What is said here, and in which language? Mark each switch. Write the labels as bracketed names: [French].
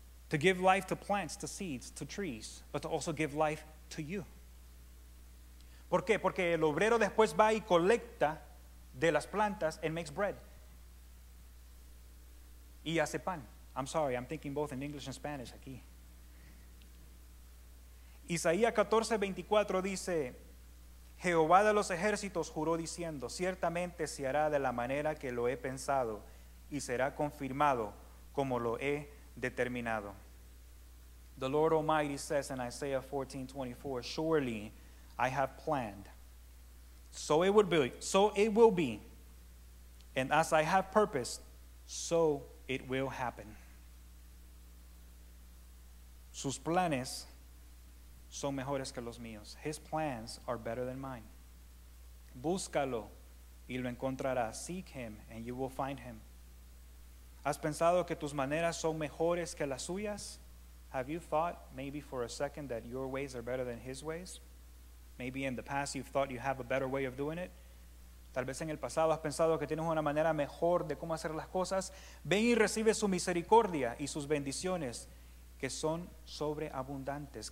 [English] To give life to plants, to seeds, to trees, but to also give life to you. [Spanish] ¿Por qué? Porque el obrero después va y colecta de las plantas [English] and makes bread. [Spanish] Y hace pan. [English] I'm sorry, I'm thinking both in English and Spanish [Spanish] aquí. Isaías 14:24 dice, Jehová de los ejércitos juró diciendo, ciertamente se hará de la manera que lo he pensado y será confirmado como lo he determinado. [English] The Lord Almighty says in Isaiah 14:24, surely I have planned. So it will be. And as I have purposed, so it will happen. [Spanish] Sus planes son mejores que los míos. [English] His plans are better than mine. [Spanish] Búscalo y lo encontrarás. [English] Seek him and you will find him. [Spanish] ¿Has pensado que tus maneras son mejores que las suyas? [English] Have you thought maybe for a second that your ways are better than his ways? Maybe in the past you've thought you have a better way of doing it. [Spanish] Tal vez en el pasado has pensado que tienes una manera mejor de cómo hacer las cosas. Ven y recibe su misericordia y sus bendiciones que son sobreabundantes.